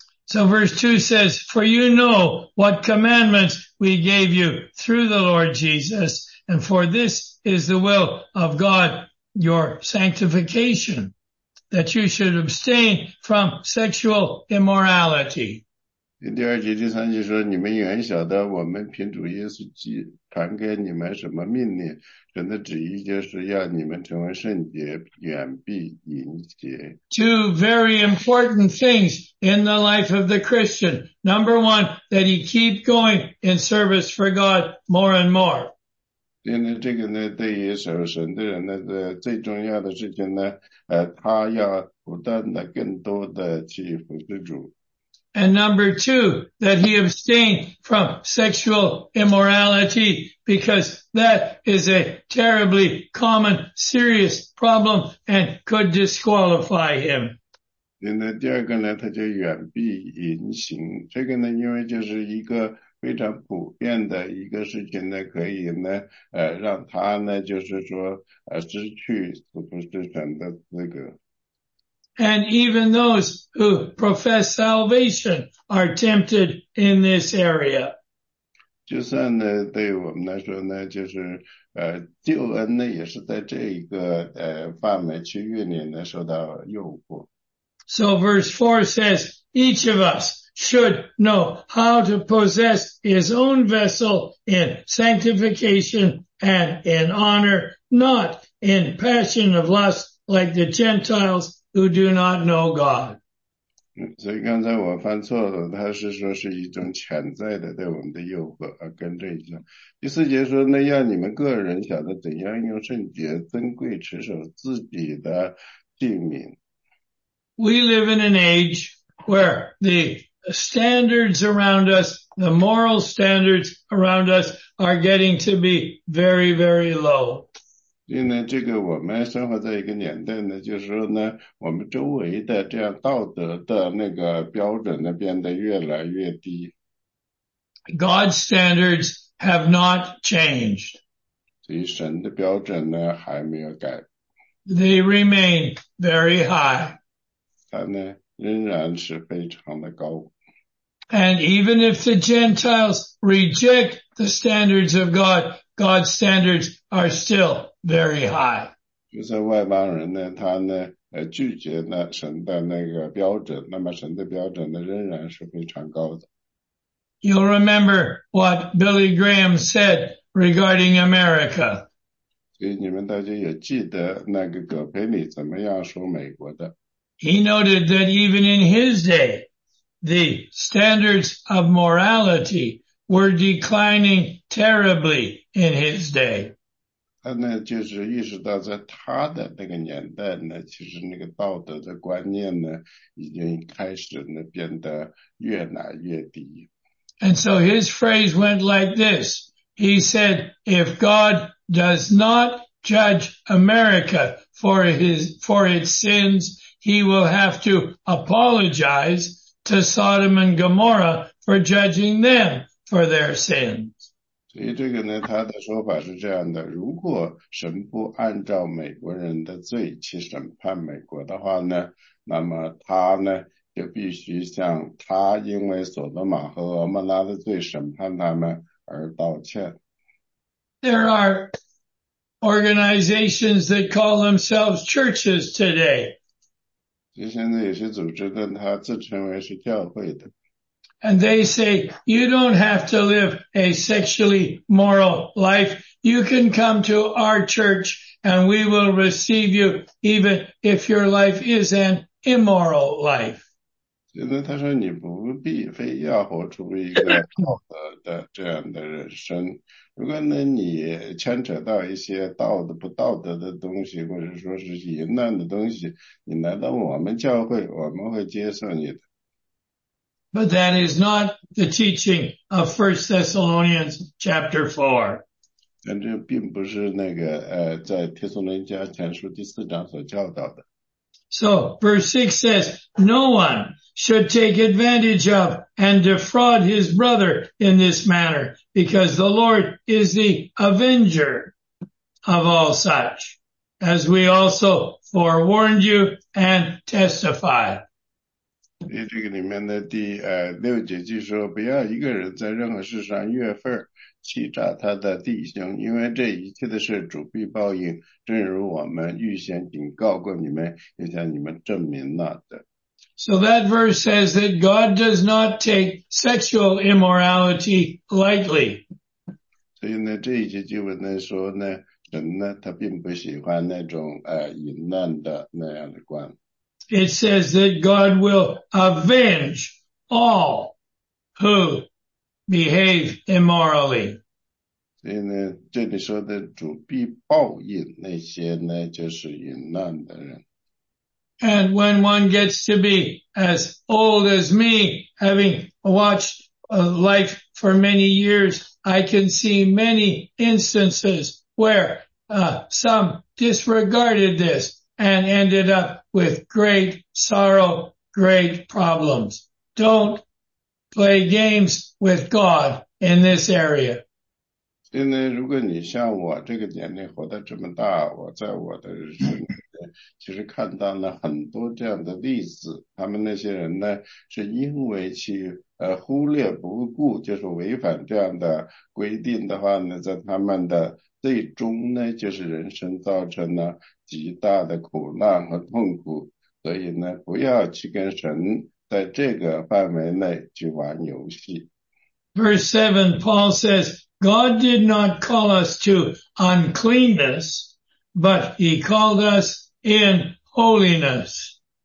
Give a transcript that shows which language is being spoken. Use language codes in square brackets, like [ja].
[en] So verse 2 says, For you know what commandments we gave you through the Lord Jesus, and for this is the will of God, your sanctification, that you should abstain from sexual immorality. [zh] 第二节第三节说，你们原晓得我们凭主耶稣基传给你们什么命令，神的旨意就是要你们成为圣洁，远避淫邪。 [en] Two very important things in the life of the Christian. Number one, that he keep going in service for God more and more. [zh] 所以呢，这个呢，对于守神的人呢，最重要的事情呢，他要不断的更多的去服侍主。 [en] And number two, that he abstain from sexual immorality, because that is a terribly common, serious problem and could disqualify him. [zh] 那第二个呢，他就远避淫行。这个呢，因为就是一个非常普遍的一个事情呢，可以呢，让他呢，就是说，失去是不是神的资格。 [en] And even those who profess salvation are tempted in this area. [zh] 就算呢，对我们来说呢，就是救恩呢，也是在这一个范围区域里呢，受到诱惑。 [en] So verse 4 says, each of us should know how to possess his own vessel in sanctification and in honor, not in passion of lust like the Gentiles. Who do not know God. [zh] 所以刚才我犯错了，他是说是一种潜在的对我们的诱惑，更正一下。第四节说，那要你们个人晓得怎样用圣洁尊贵持守自己的性命。 [en] We live in an age where the standards around us, the moral standards around us are getting to be very, very low. [zh] 因为呢，这个我们生活在一个年代呢，就是说呢，我们周围的这样道德的那个标准呢，变得越来越低。 [en] God's standards have not changed. [zh] 所以神的标准呢，还没有改。 [en] They remain very high. [zh] 他呢仍然是非常的高。 [en] And even if the Gentiles reject the standards of God, God's standards are still very high. [zh] 就是外邦人呢，他呢，拒绝了神的那个标准，那么神的标准呢，仍然是非常高的。 [en] You'll remember what Billy Graham said regarding America. [zh] 所以你们大家也记得那个葛培理怎么样说美国的。 [en] He noted that even in his day, the standards of morality were declining terribly in his day. [zh] 他呢就是意识到在他的那个年代呢，其实那个道德的观念呢，已经开始呢变得越来越低。 [en] And so his phrase went like this. He said, if God does not judge America for its sins, he will have to apologize to Sodom and Gomorrah for judging them for their sins. [zh] 所以这个呢，他的说法是这样的，如果神不按照美国人的罪去审判美国的话呢，那么他呢就必须向他因为索多玛和俄摩拉的罪审判他们而道歉。 [en] There are organizations that call themselves churches today. [zh] 其实现在有些组织呢，它自称为是教会的。 [en] And they say, you don't have to live a sexually moral life. You can come to our church and we will receive you even if your life is an immoral life. [zh] 现在他说你不必非要活出一个道德的这样的人生。如果呢你牵扯到一些道德不道德的东西，或者说是淫乱的东西，你来到我们教会，我们会接受你的。 [en] But that is not the teaching of 1 Thessalonians chapter 4. [zh] 但这并不是那个在帖撒罗尼迦前书第四章所教导的。 [en] So verse 6 says, no one should take advantage of and defraud his brother in this manner, because the Lord is the avenger of all such, as we also forewarned you and testified. [zh] 这个里面的第六节就说，不要一个人在任何事上越份欺诈他的弟兄，因为这一切的事主必报应，正如我们预先警告过你们，也向你们证明了的。 [en] So that verse says that God does not take sexual immorality lightly. [zh] 所以呢，这一节经文呢说呢，神呢他并不喜欢那种淫乱的那样的观。 [en] It says that God will avenge all who behave immorally. [zh] 所以呢，这里说的主必报应那些呢就是淫乱的人。 [en] And when one gets to be as old as me, having watched life for many years, I can see many instances where some disregarded this and ended up with great sorrow, great problems. Don't play games with God in this area. [zh] 现在如果你像我这个年龄活得这么大，我在我的人生其实看到了很多这样的例子，他们那些人呢是因为去忽略不顾，就是违反这样的规定的话呢，在他们的最终呢就是人生造成了极大的苦难和痛苦，所以呢不要去跟神在这个范围内去玩游戏。 [en] Verse 7 Paul says God did not call us to uncleanness, but he called us in holiness.